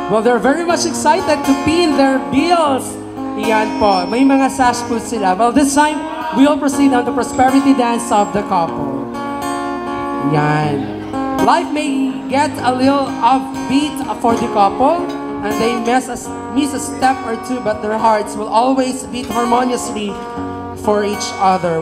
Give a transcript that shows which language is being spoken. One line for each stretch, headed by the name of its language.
English: Well, they're very much excited to pin their bills.
Filipino: Iyan po, may mga sash po sila.
English: Well, this time, we will proceed on the prosperity dance of the couple. Iyan. Life may get a little upbeat for the couple, and they miss a step or two, but their hearts will always beat harmoniously for each other.